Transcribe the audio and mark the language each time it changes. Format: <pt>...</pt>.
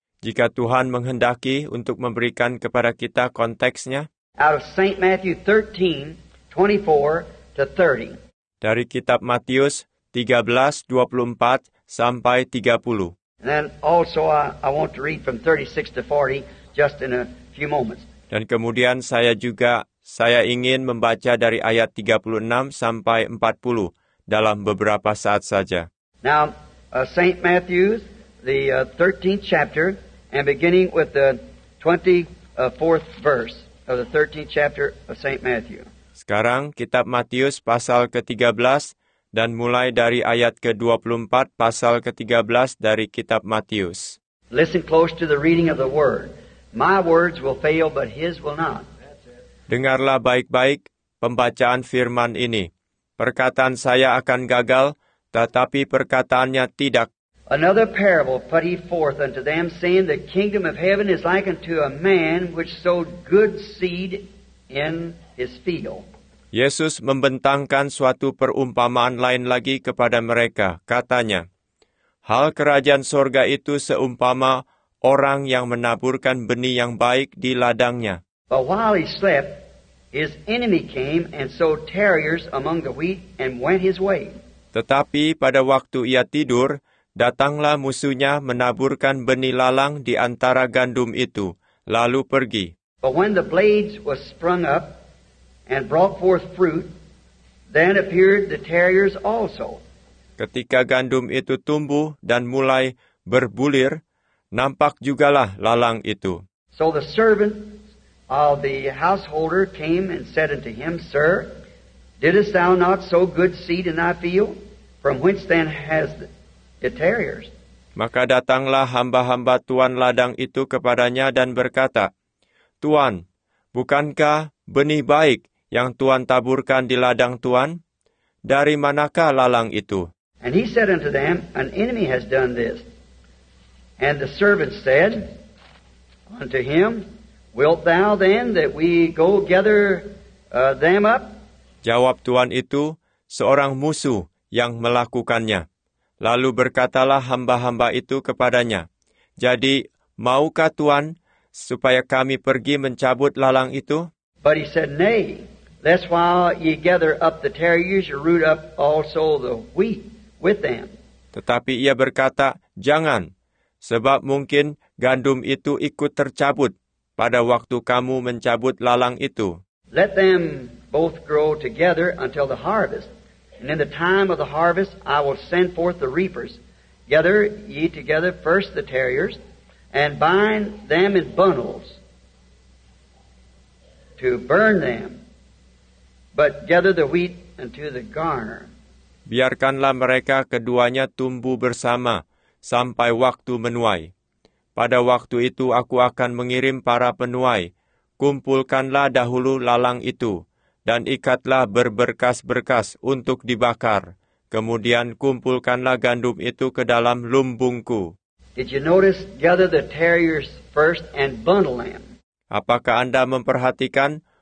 <id>Jika Tuhan menghendaki untuk memberikan kepada kita konteksnya.</id> <en>Out of St. Matthew 13, 24 to 30.</en> <id>Dari kitab Matius 13, 24 sampai 30.</id> <en>And then also I want to read from 36 to 40 just in a few moments.</en> <id>Dan kemudian saya ingin membaca dari ayat 36 sampai 40 dalam beberapa saat saja.</id> <en>Now, St. Matthew's, the 13th chapter, and beginning with the 24th verse of the 13th chapter of St. Matthew.</en> <id>Sekarang, kitab Matius pasal ke-13, dan mulai dari ayat ke-24, pasal ke-13 dari kitab Matius.</id> <en>Listen close to the reading of the word. My words will fail, but his will not.</en> <id>Dengarlah baik-baik pembacaan firman ini. Perkataan saya akan gagal, tetapi perkataannya tidak.</id> <en>Another parable put he forth unto them, saying, the kingdom of heaven is like unto a man which sowed good seed in his field.</en> <id>Yesus membentangkan suatu perumpamaan lain lagi kepada mereka. Katanya, hal kerajaan sorga itu seumpama orang yang menaburkan benih yang baik di ladangnya.</id> <en>But while he slept, his enemy came and sowed tares among the wheat and went his way.</en> <id>Tetapi pada waktu ia tidur, datanglah musuhnya menaburkan benih lalang di antara gandum itu, lalu pergi.</id> <en>But when the blades was sprung up and brought forth fruit, then appeared the tares also.</en> <id>Ketika gandum itu tumbuh dan mulai berbulir, nampak jugalah lalang itu.</id> <en>So the servant of the householder came and said unto him, Sir, didst thou not sow good seed in thy field? From whence then has the tares?</en> <id>Maka datanglah hamba-hamba tuan ladang itu kepadanya dan berkata, Tuan, bukankah benih baik yang tuan taburkan di ladang tuan? Dari manakah lalang itu?</id> <en>And he said unto them, An enemy has done this. And the servant said unto him, Wilt thou then that we go gather them up?</en> <id>Jawab tuan itu, seorang musuh yang melakukannya. Lalu berkatalah hamba-hamba itu kepadanya, Jadi, maukah tuan supaya kami pergi mencabut lalang itu?</id> <en>But he said, Nay, lest while ye gather up the tares, ye root up also the wheat with them.</en> <id>Tetapi ia berkata, Jangan, sebab mungkin gandum itu ikut tercabut pada waktu kamu mencabut lalang itu.</id> <en>Let them both grow together until the harvest. And in the time of the harvest, I will send forth the reapers. Gather ye together first the tares, and bind them in bundles to burn them. But gather the wheat unto the garner.</en> <id>Biarkanlah mereka keduanya tumbuh bersama sampai waktu menuai. Pada waktu itu aku akan mengirim para penuai. Kumpulkanlah dahulu lalang itu. Dan ikatlah berberkas-berkas untuk dibakar. Kemudian kumpulkanlah gandum itu ke dalam lumbungku.</id> <en>Did you notice gather the tares first and bundle them?</en> <id>Apakah Anda memperhatikan?</id>